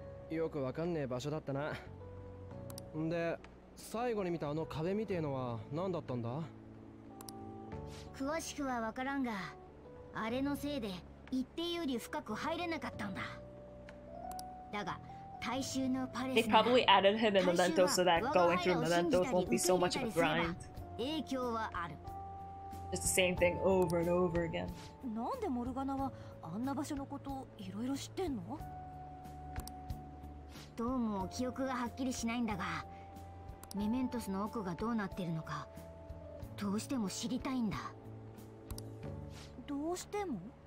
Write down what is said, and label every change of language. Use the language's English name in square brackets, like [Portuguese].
[Japanese] よくわかんねえ場所だったな。んで、最後に見たあの壁みてえのは何だったんだ？詳しくはわからんが、あれのせいで一定より深く入れなかったんだ。だが、大衆のパレス [English] が、They probably added him in Memento so that going through Memento won't be so much of a grind. [Japanese] 影響はある。 [English] It's the same thing over and over again. [Japanese] なんでモルガナはあんな場所のことをいろいろ知ってんの？どうも記憶がはっきりしないんだが、メメントスの奥がどうなってるのか、どうしても知りたいんだ。どうしても？